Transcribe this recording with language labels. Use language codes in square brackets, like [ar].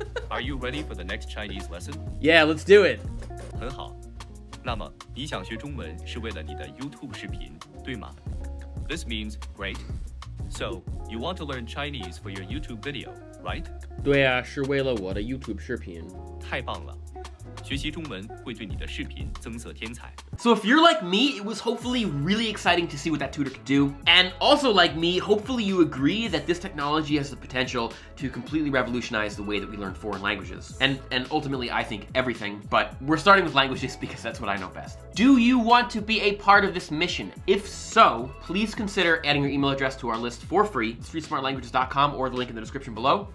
[en] Are you ready for the next Chinese lesson? Yeah, let's do it. [zh] 很好。那么你想学中文是为了你的 YouTube 视频，对吗？ [en] This means great. So you want to learn Chinese for your YouTube video, right? [zh] 对啊，是为了我的 YouTube 视频。太棒了,学习中文会对你的视频增色添彩。So [en] if you're like me, it was hopefully really exciting to see what that tutor could do. And also like me, hopefully you agree that this technology has the potential to completely revolutionize the way that we learn foreign languages. And ultimately, I think everything, but we're starting with languages because that's what I know best. Do you want to be a part of this mission? If so, please consider adding your email address to our list for free, streetsmartlanguages.com or the link in the description below.